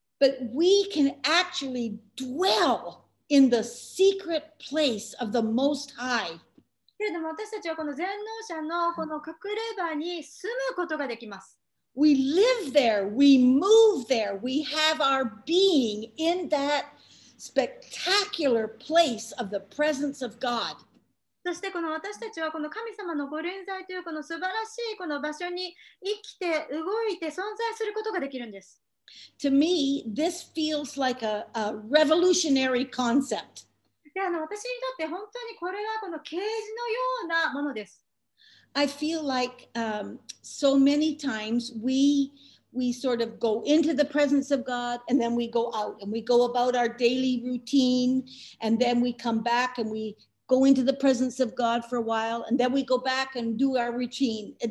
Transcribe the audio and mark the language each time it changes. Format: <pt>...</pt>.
<en>But we can actually dwell in the secret place of the Most High.</en> <ja>けれども私たちはこの全能者のこの隠れ場に住むことができます。</ja> <en>We live there, we move there, we have our being in that spectacular place of the presence of God.</en> <ja>そしてこの私たちはこの神様のご臨在というこの素晴らしいこの場所に生きて動いて存在することができるんです。</ja> <en>To me, this feels like a revolutionary concept.</en> <ja>で、私にとって本当にこれはこの啓示のようなものです。</ja> <en>I feel like so many times we sort of go into the presence of God and then we go out and we go about our daily routine and then we come back and we go into the presence of God for a while and then we go back and do our routine.</en>